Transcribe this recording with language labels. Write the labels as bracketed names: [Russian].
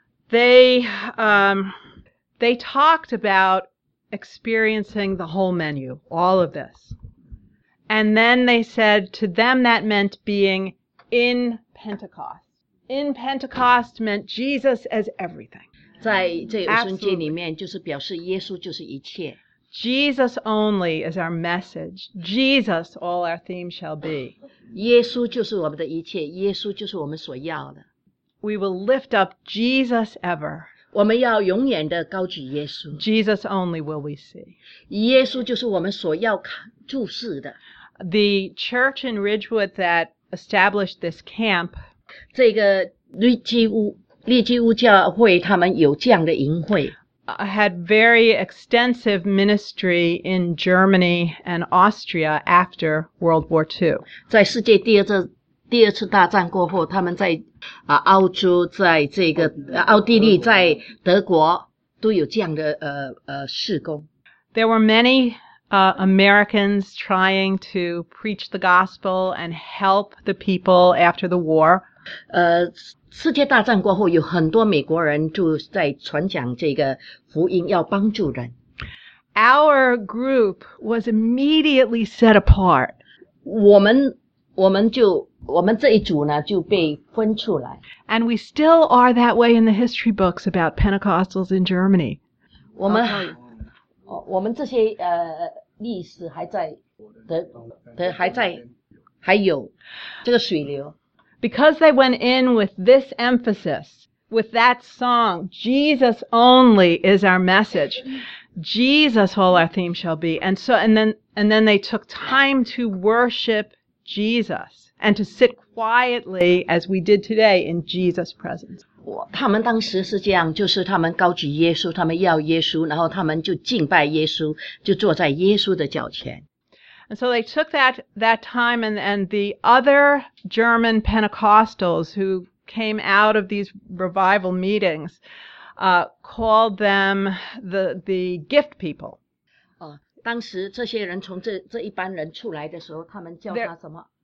[English] They talked about experiencing the whole menu, all of this. And then they said to them that meant being in Pentecost. In Pentecost meant Jesus as everything. [Chinese] 在这五旬节里面就是表示耶稣就是一切。 [English] Jesus only is our message. Jesus all our theme shall be. [Chinese] 耶稣就是我们的一切，耶稣就是我们所要的。 [English] We will lift up Jesus ever. [Chinese] 我们要永远的高举耶稣。 [English] Jesus only will we see. [Chinese] 耶稣就是我们所要看。 [English] The church in Ridgewood that established this camp, [Chinese] 这个利基乌教会他们有这样的营会 [English] had very extensive ministry in Germany and Austria after World War II. [Chinese] 在世界第二次大战过后，他们在澳洲，在这个奥地利，在德国都有这样的事工。 [English] There were many. Americans trying to preach the gospel and help the people after the war. [Chinese] 世界大战过后有很多美国人就在传讲这个福音要帮助人。 [English] Our group was immediately set apart. [Chinese] 我们这一组呢就被分出来。 [English] And we still are that way in the history books about Pentecostals in Germany. [Chinese] 我们这些历史还在的还在还有这个水流。 [English] Because they went in with this emphasis, with that song, Jesus only is our message. Jesus all our theme shall be. And so, and then they took time to worship Jesus and to sit quietly as we did today in Jesus' presence. [Chinese] 他们当时是这样，就是他们高举耶稣，他们要耶稣，然后他们就敬拜耶稣，就坐在耶稣的脚前。 [English] And so they took that time, and the other German Pentecostals who came out of these revival meetings, called them the gift people. [Chinese] 当时这些人从这一班人出来的时候，他们叫他什么